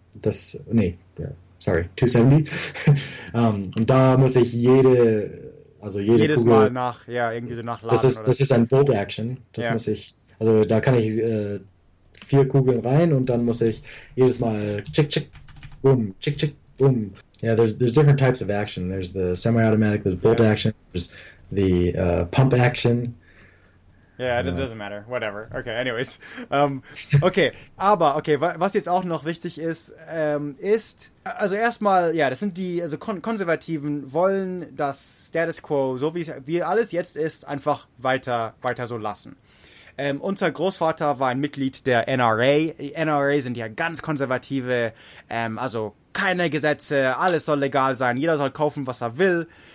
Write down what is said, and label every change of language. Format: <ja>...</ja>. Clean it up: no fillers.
<de>Das, nee, sorry, 270. und da muss ich jedes Kugel, Mal nach, ja, irgendwie so nachladen. Das ist ein Bolt Action. Das muss ich, also da kann ich vier Kugeln rein und dann muss ich jedes Mal tschick, tschick, bumm, tschick, tschick, bumm.</de> <en>Yeah, there's different types of action. There's the semi-automatic, the bolt action, there's the pump action. Yeah, it doesn't matter. Whatever. Okay, anyways.</en> <de>Okay, aber okay, was jetzt auch noch wichtig ist, ist, also erstmal, ja, das sind die, also Konservativen wollen das Status Quo, so wie alles jetzt ist, einfach weiter so lassen. Unser Großvater war ein Mitglied der NRA. Die NRA sind ja ganz konservative, also keine Gesetze, alles soll legal sein, jeder soll kaufen, was er will.</de>